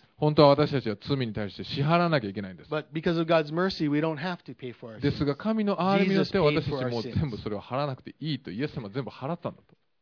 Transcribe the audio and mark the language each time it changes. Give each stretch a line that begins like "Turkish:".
Japanese: 本当は私たちは罪に対して支払わなきゃいけないんです。
English: But because of God's mercy, we don't have to pay for our sins.
Japanese: ですが神の憐れみによって私たちも全部それを払わなくていいと、イエス様は全部払ったんだと。